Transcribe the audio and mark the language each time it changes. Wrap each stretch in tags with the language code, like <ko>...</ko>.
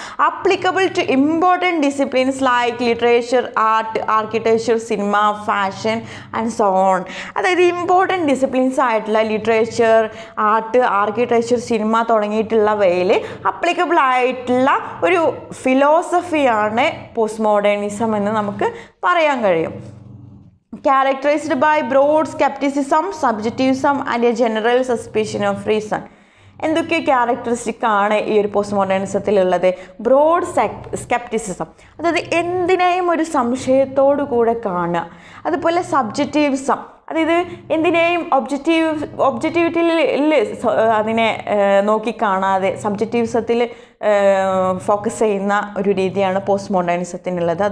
<en>Applicable to important disciplines like literature, art, architecture, cinema, fashion and so on.</en> <ml>അതായത് important disciplines ആയിട്ടുള്ള literature, art, architecture, cinema തുടങ്ങിയിട്ടുള്ളവയിൽ applicable ആയിട്ടുള്ള ഒരു ഫിലോസഫിയാണ് post modernism എന്ന് നമുക്ക് പറയാൻ കഴിയും.</ml> <en>Characterized by broad skepticism, subjectivism and a general suspicion of reason.</en> <ml>എന്തൊക്കെ characteristic ആണ് ഈ ഒരു പോസ്റ്റ് മോഡേണിസത്തിലുള്ളത്? ബ്രോഡ് സ്കെപ്റ്റിസിസം, അതായത് എന്തിനേയും ഒരു സംശയത്തോടു കൂടെ കാണുക. അതുപോലെ സബ്ജക്റ്റീവിസം, അതായത് എന്തിനേയും ഒബ്ജക്റ്റിവിറ്റിയിൽ അതിനെ നോക്കിക്കാണാതെ സബ്ജക്റ്റീവിസത്തിൽ ഫോക്കസ് ചെയ്യുന്ന ഒരു രീതിയാണ് പോസ്റ്റ് മോഡേണിസത്തിനുള്ളത്.</ml>